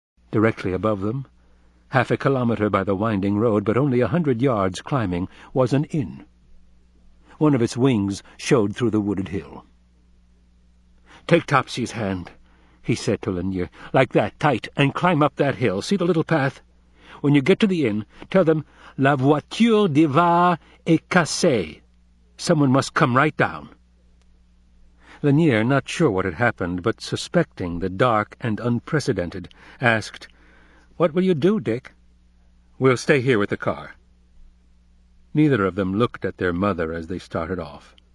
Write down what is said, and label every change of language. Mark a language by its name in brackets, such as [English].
[English] Directly above them, half a kilometer by the winding road, but only 100 yards climbing, was an inn. One of its wings showed through the wooded hill. "Take Topsy's hand," he said to Lanier, "like that, tight, and climb up that hill. See the little path? When you get to the inn, tell them, [French] 'La voiture de va est cassée. [English] Someone must come right down.'" Lanier, not sure what had happened, but suspecting the dark and unprecedented, asked, "What will you do, Dick?" "We'll stay here with the car." Neither of them looked at their mother as they started off.